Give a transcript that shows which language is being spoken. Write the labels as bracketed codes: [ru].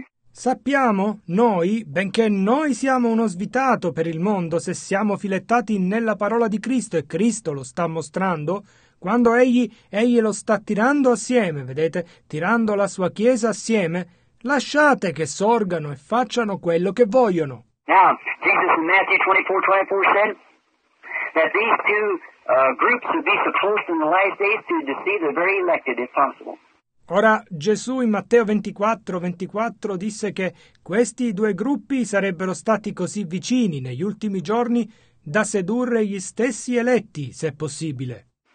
[it] Sappiamo, noi, benché noi siamo uno svitato per il mondo, se siamo filettati nella parola di Cristo e Cristo lo sta mostrando, quando egli lo sta tirando assieme, vedete, tirando la sua chiesa assieme, lasciate che sorgano e facciano quello che vogliono. [en] Now, Jesus in Matthew 24:24 said that these two groups would be so close in the last days to deceive the very elected, if possible. [it] Ora Gesù in Matteo 24:24 disse che questi due gruppi sarebbero stati così vicini negli ultimi giorni da sedurre gli stessi eletti, se possibile.